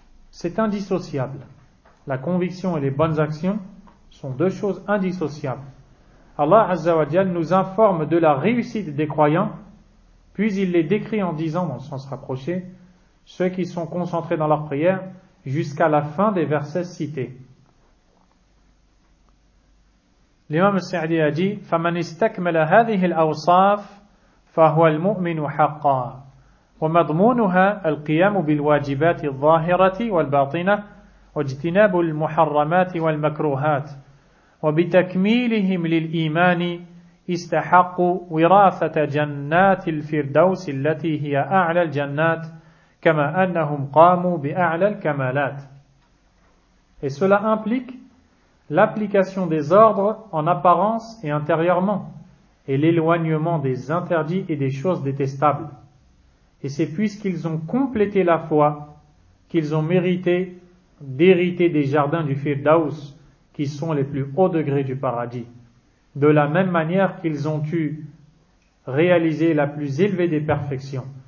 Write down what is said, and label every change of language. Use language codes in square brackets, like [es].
[fr] c'est indissociable. La conviction et les bonnes actions sont deux choses indissociables. Allah Azza wa Jal nous informe de la réussite des croyants, puis il les décrit en disant, dans le sens rapproché, ceux qui sont concentrés dans leur prière jusqu'à la fin des versets cités. L'imam Sa'di a dit, [ar] فَمَنْ اسْتَكْمَلَ هَذِهِ الْأَوْصَافِ فَهُوَ الْمُؤْمِنُ حَقًّا وَمَضْمُونُهَا الْقِيَامُ بِالْوَاجِبَاتِ الظَّاهِرَةِ وَالْبَاطِنَةِ واجتناب المحرمات والمكروهات وبتكميلهم للإيمان استحقوا وراثة جنات الفردوس التي هي أعلى الجنات كما أنهم قاموا بأعلى الكمالات. [fr] Et cela implique l'application des ordres en apparence et intérieurement, et l'éloignement des interdits et des choses détestables. Et c'est puisqu'ils ont complété la foi qu'ils ont mérité d'hériter des jardins du Firdaus, qui sont les plus hauts degrés du paradis, de la même manière qu'ils ont eu réalisé la plus élevée des perfections.